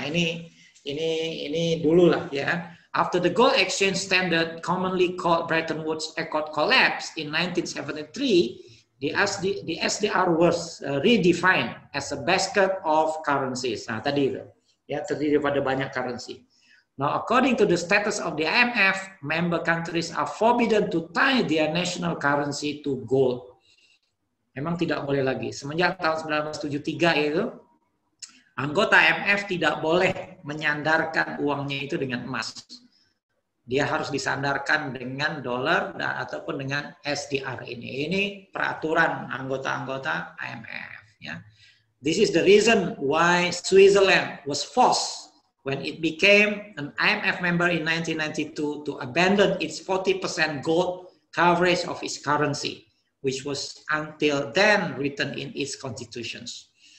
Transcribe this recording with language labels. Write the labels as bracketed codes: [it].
[id] Nah, ini dulu lah ya. [en] After the gold exchange standard commonly called Bretton Woods Accord collapsed in 1973, the SDR was redefined as a basket of currencies. [id] Nah, tadi itu. Ya, terdiri daripada banyak currency. [en] Now, according to the status of the IMF, member countries are forbidden to tie their national currency to gold. [id] Memang tidak boleh lagi. Semenjak tahun 1973 itu, anggota IMF tidak boleh menyandarkan uangnya itu dengan emas. Dia harus disandarkan dengan dolar ataupun dengan SDR ini. Ini peraturan anggota-anggota IMF. Ya. [en] This is the reason why Switzerland was forced when it became an IMF member in 1992 to abandon its 40% gold coverage of its currency, which was until then written in its constitutions.